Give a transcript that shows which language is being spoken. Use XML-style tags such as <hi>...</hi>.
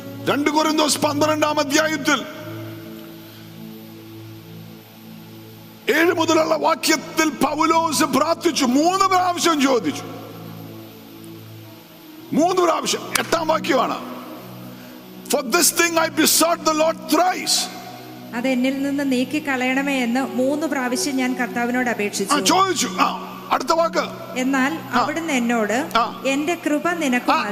<ml>രണ്ട് കൊരിന്ത്യോസ് 12-ാം അധ്യായത്തിൽ 7 മുതലുള്ള വാക്യത്തിൽ പൗലോസ് പ്രാർത്ഥിച്ചു, 3 പ്രാവശ്യം ചോദിച്ചു. 3 പ്രാവശ്യം, 8-ാം വാക്യമാണ്.</ml> <en>For this thing I besought the Lord thrice.</en> <ml>അത് എന്നിൽ നിന്ന് നീക്കി കളയണമേ എന്ന് മൂന്ന് പ്രാവശ്യം ഞാൻ കർത്താവിനോട് അപേക്ഷിച്ചു. ചോദിച്ചു. അടുത്ത വാക്ക്. എന്നാൽ അവിടുന്ന് എന്നോട് എന്റെ കൃപ നിനക്ക്</ml>